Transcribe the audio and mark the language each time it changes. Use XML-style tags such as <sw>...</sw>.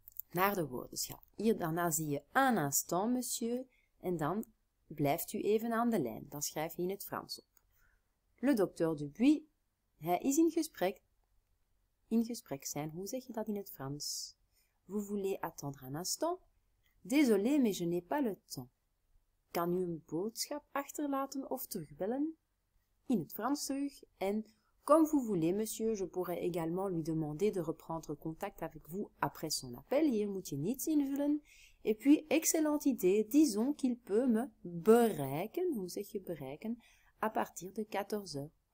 <nl>Naar de woordenschat. Hier daarna zie je</nl> <fr>un instant, monsieur.</fr> <nl>En dan blijft u even aan de lijn. Dan schrijf je in het Frans op. Le docteur Dubuis, hij is in gesprek. In gesprek zijn, hoe zeg je dat in het Frans?</nl> <fr>Vous voulez attendre un instant? Désolé, mais je n'ai pas le temps.</fr> <nl>Kan u een boodschap achterlaten of terugbellen? In het Frans terug.</nl> <fr>En comme vous voulez, monsieur, je pourrais également lui demander de reprendre contact avec vous après son appel.</fr> <nl>Hier moet je niets invullen.</nl> <fr>Et puis, excellente idée, disons qu'il peut me brechen, vous savez, brechen, à partir de 14h.</fr>